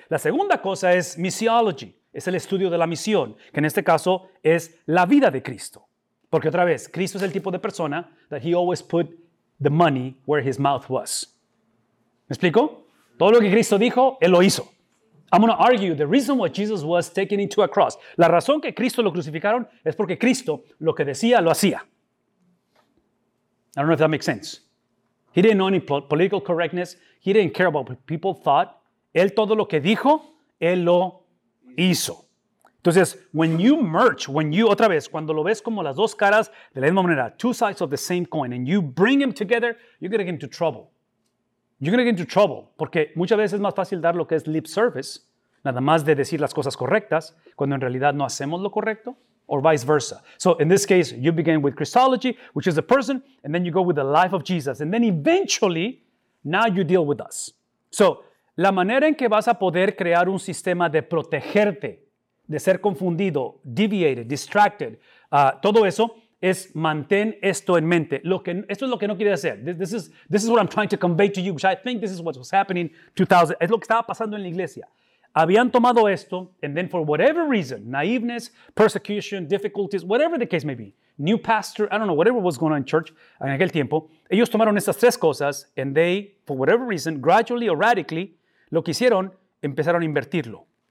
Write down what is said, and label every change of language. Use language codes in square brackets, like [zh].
[es] La segunda cosa es missiology, es el estudio de la misión, que en este caso es la vida de Cristo. Porque otra vez, Cristo es el tipo de persona [en] that he always put the money where his mouth was. [es] ¿Me explico? Todo lo que Cristo dijo, él lo hizo. [en] I'm going to argue the reason why Jesus was taken into a cross. [es] La razón que Cristo lo crucificaron es porque Cristo lo que decía, lo hacía. [en] I don't know if that makes sense. He didn't know any political correctness. He didn't care about what people thought. [es] Él todo lo que dijo, él lo hizo. [en] Entonces, when you merge, when you, [es] otra vez, cuando lo ves como las dos caras de la misma manera, [en] two sides of the same coin, and you bring them together, you're going to get into trouble. You're going to get into trouble, [es] porque muchas veces es más fácil dar lo que es [en] lip service, [es] nada más de decir las cosas correctas, cuando en realidad no hacemos lo correcto, [en] or vice versa. So, in this case, you begin with Christology, which is a person, and then you go with the life of Jesus, and then eventually, now you deal with us. [es] So, la manera en que vas a poder crear un sistema de protegerte, de ser confundido, [en] deviated, distracted, [es] todo eso es mantén esto en mente. Esto es lo que no quiere hacer. [en] This is what I'm trying to convey to you, which I think this is what was happening 2000. [es] Es lo que estaba pasando en la iglesia. Habían tomado esto, [en] and then for whatever reason, naiveness, persecution, difficulties, whatever the case may be, new pastor, I don't know, whatever was going on in church [es] en aquel tiempo, ellos tomaron estas tres cosas, [en] and they, for whatever reason, gradually or radically, [es] lo que hicieron, empezaron a invertirlo.